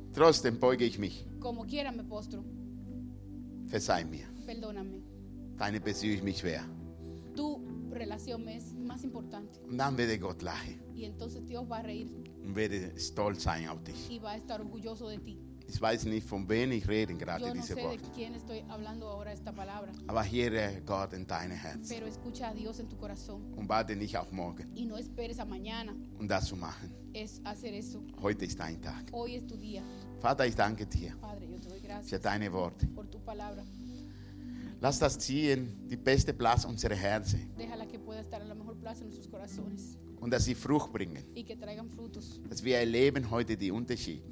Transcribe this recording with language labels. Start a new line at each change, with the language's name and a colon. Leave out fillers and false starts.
German: Trotzdem beuge ich mich.
Spanish: Como quiera me postro.
German: Verzeih mir.
Spanish: Perdóname.
German: Deine Beziehung ist mir schwer.
Spanish: Tu relación es más importante.
German: Und dann werde Gott lachen.
Spanish: Y entonces Dios va a reír.
German: Und werde stolz sein auf dich.
Spanish: Y va a estar orgulloso de ti.
German: Ich weiß nicht, von wem ich rede gerade
Spanish: no
German: diese
Spanish: sé
German: Worte.
Spanish: De quién estoy hablando ahora esta palabra.
German: Aber höre Gott in deinem Herzen.
Spanish: Pero escucha a Dios en tu corazón.
German: Und warte nicht auf morgen.
Spanish: Y no esperes a mañana.
German: Und das zu machen.
Spanish: Es hacer eso.
German: Heute ist dein Tag.
Spanish: Hoy es tu día.
German: Vater, ich danke dir.
Spanish: Padre, yo te doy gracias.
German: Für deine Worte.
Spanish: Por tu palabra.
German: Lass das ziehen, die beste Platz unserer Herzen.
Spanish: Déjala que pueda estar en la mejor plaza en nuestros corazones.
German: Und dass sie Frucht bringen.
Spanish: Y que traigan frutos.
German: Dass wir erleben heute die Unterschiede.